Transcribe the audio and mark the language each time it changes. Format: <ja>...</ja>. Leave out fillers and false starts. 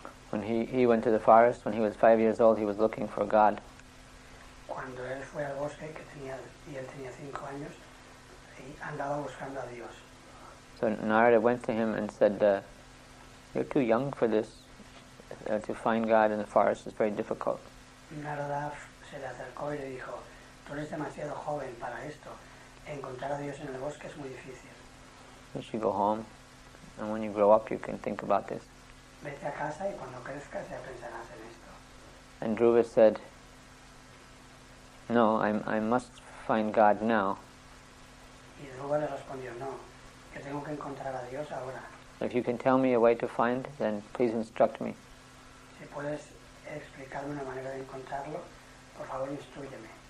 <en>When he went to the forest, when he was 5 years old, he was looking for God.</en> <es>Cuando él fue al bosque, que tenía, y él tenía 5 años, y andaba buscando a Dios.</es> <en>So Narada went to him and said, you're too young for this, to find God in the forest is very difficult.</en> <es>Narada se le acercó y le dijo, tú eres demasiado joven para esto, encontrar a Dios en el bosque es muy difícil.</es> <en>You should go home, and when you grow up you can think about this.</en> <es>Vete a casa y cuando crezcas ya pensarás en esto.</es> <en>And Dhruva said, no, I must find God now.</en> <es>Y Dhruva le respondió, no, que tengo que encontrar a Dios ahora.</es> <en>If you can tell me a way to find, then please instruct me.</en> <es>Si puedes explicarme una manera de encontrarlo, por favor instrúyeme.</es>